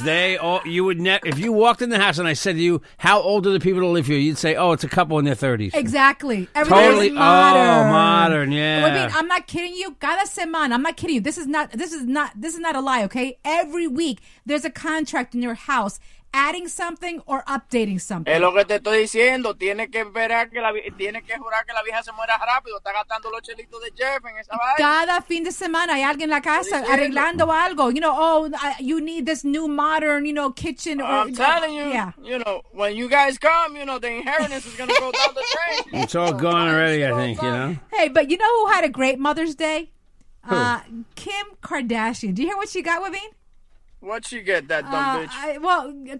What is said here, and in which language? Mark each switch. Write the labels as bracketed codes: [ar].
[en] If you walked in the house and I said to you, how old are the people that live here? You'd say, oh, it's a couple in their 30s. Exactly. Everything totally is modern. Oh, modern, yeah. I'm not kidding you. [es] Cada semana. [en] I'm not kidding you. This is not a lie, okay? Every week, there's a contract in your house. Adding something or updating something. [es] Es lo que te estoy diciendo. Tiene que jurar que la vieja se muera rápido. Está gastando los chelitos de Jeff en esa vaina. Cada fin de semana hay alguien en la casa arreglando algo. [en] You know, you need this new modern, kitchen. I'm telling you, when you guys come, the inheritance is going to go down the drain. It's all gone already, I think, Hey, but you know who had a great Mother's Day? Who? Kim Kardashian. Do you hear what she got, Waveen? What you get, that dumb bitch?